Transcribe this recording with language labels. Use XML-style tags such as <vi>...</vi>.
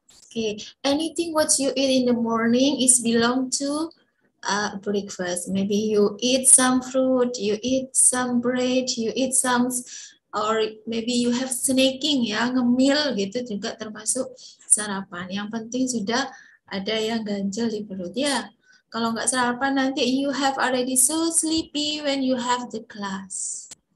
<en>Okay, anything what you eat in the morning is belong to breakfast. Maybe you eat some fruit, you eat some bread, you eat some, or maybe you have snacking ya,</en> <id>ngemil gitu juga termasuk sarapan. Yang penting sudah ada yang ganjel di perut ya. Kalau nggak sarapan nanti</id> <en>you have already so sleepy when you have the class.</en>